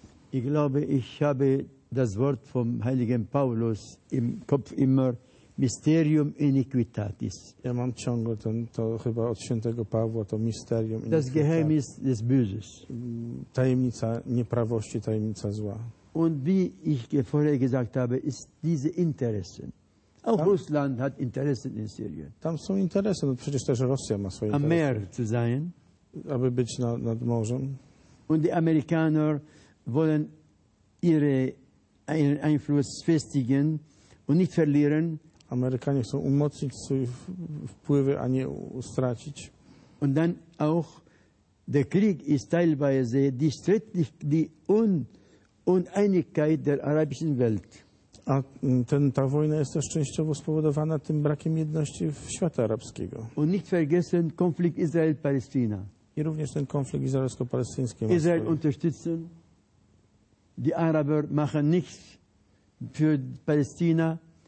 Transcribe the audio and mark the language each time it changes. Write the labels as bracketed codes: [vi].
[de] Ich glaube, ich habe das Wort vom Heiligen Paulus im Kopf immer: [la] Mysterium iniquitatis. [de] Das Geheimnis des Böses. [pl] Tajemnica nieprawości, tajemnica zła. [de] Und wie ich vorher gesagt habe, ist diese Interessen. Auch Russland hat Interessen in Syrien. [pl] Tam są interesy, no przecież też Rosja ma swoje interesy. [de] Am Meer zu sein. [pl] Aby być nad morzem. [de] Und die Amerikaner wollen ihren Einfluss festigen und nicht verlieren. [pl] Amerykanie chcą umocnić swoje wpływy, a nie stracić. [de] Und dann auch, der Krieg ist teilweise die Streitigkeit, die Uneinigkeit der arabischen Welt. [pl] A ta wojna jest też częściowo spowodowana tym brakiem jedności w świata arabskiego. [de] Und nicht vergessen Konflikt Israel-Palestina. [pl] I również ten konflikt izraelsko-palestyński. [de] Israel unterstützen. Die Araber machen nichts für Palestina.